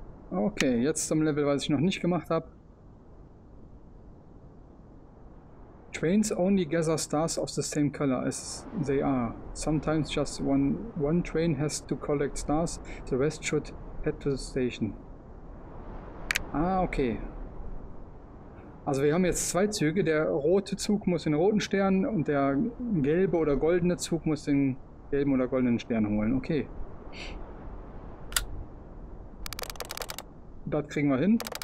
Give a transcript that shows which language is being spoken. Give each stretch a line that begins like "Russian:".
German: Okay, jetzt zum Level, was ich noch nicht gemacht habe.
English: Trains only gather stars of the same color as they are. Sometimes just one train has to collect stars, the rest should head to the station.
German: Ah, okay. Also wir haben jetzt 2 Züge. Der rote Zug muss den roten Stern und der gelbe oder goldene Zug muss den gelben oder goldenen Stern holen. Okay. Das kriegen wir hin.